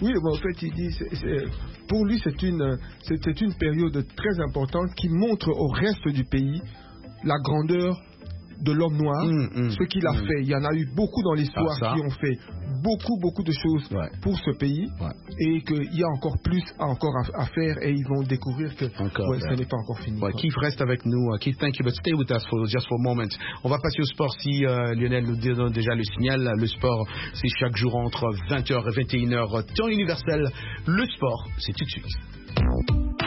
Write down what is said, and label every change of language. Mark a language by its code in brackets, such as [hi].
[fr] Oui, en fait, il dit, pour lui, c'est une période très importante qui montre au reste du pays la grandeur de l'homme noir, ce qu'il a fait. Il y en a eu beaucoup dans l'histoire qui ont fait beaucoup, beaucoup de choses pour ce pays, et qu'il y a encore plus à faire, et ils vont découvrir que ce n'est pas encore fini. Ouais, Keith, reste avec nous. [en] Keith, thank you, but stay with us just for a moment. [fr] On va passer au sport. Si Lionel nous donne déjà le signal, le sport, c'est chaque jour entre 20h et 21h, temps universel. Le sport, c'est tout de suite.